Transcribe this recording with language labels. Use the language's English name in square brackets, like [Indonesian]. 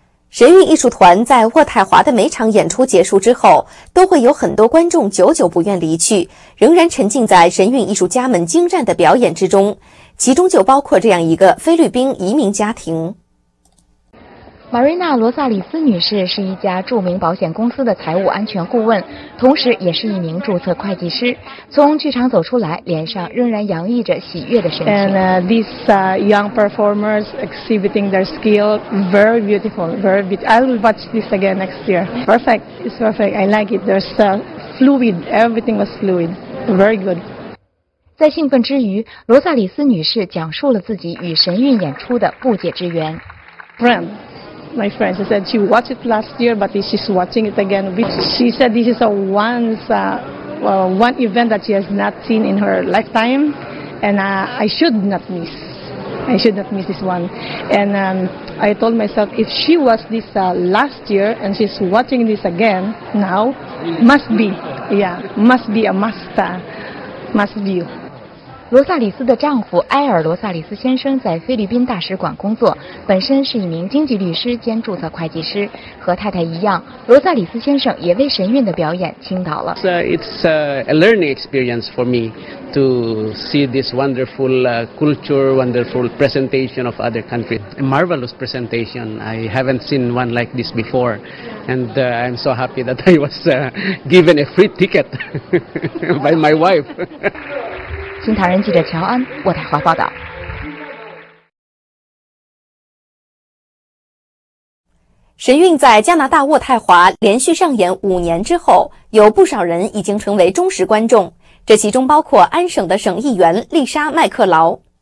[Chinese] 神韵艺术团在渥太华的每场演出结束之后，都会有很多观众久久不愿离去，仍然沉浸在神韵艺术家们精湛的表演之中，其中就包括这样一个菲律宾移民家庭。玛瑞娜·罗萨里斯女士是一家著名保险公司的财务安全顾问，同时也是一名注册会计师。从剧场走出来，脸上仍然洋溢着喜悦的神情。 [English] And these young performers exhibiting their skill, very beautiful, very beautiful. I will watch this again next year. Perfect, it's perfect. I like it. There's fluid, everything was fluid. Very good. [Chinese] 在兴奋之余，罗萨里斯女士讲述了自己与神韵演出的不解之缘。 [English] Friend. My friend said she watched it last year, but she's watching it again. She said this is one event that she has not seen in her lifetime, and I should not miss. I should not miss this one. And I told myself, if she watched this last year and she's watching this again now, must be a must view. [Chinese] 罗萨里斯的丈夫埃尔·罗萨里斯先生在菲律宾大使馆工作，本身是一名经济律师兼注册会计师。和太太一样，罗萨里斯先生也为神韵的表演倾倒了。 [English] It's a learning experience for me to see this wonderful culture, wonderful presentation of other countries. A marvelous presentation. I haven't seen one like this before. And I'm so happy that I was given a free ticket by my wife. [Chinese] 新唐人记者乔安，渥太华报道。神韵在加拿大渥太华连续上演五年之后，有不少人已经成为忠实观众，这其中包括安省的省议员丽莎·麦克劳。